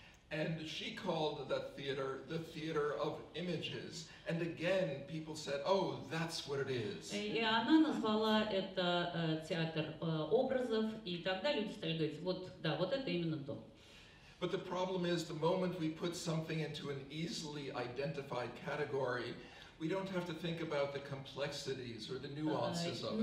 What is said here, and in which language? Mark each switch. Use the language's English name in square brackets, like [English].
[English] And she called that theater the theater of images. And again, people said, oh, that's what it is. [Russian] И она назвала это театр образов, и тогда люди стали говорить, вот, да, вот это именно то. [English] But the problem is, the moment we put something into an easily identified category, we don't have to think about the complexities or the nuances of it.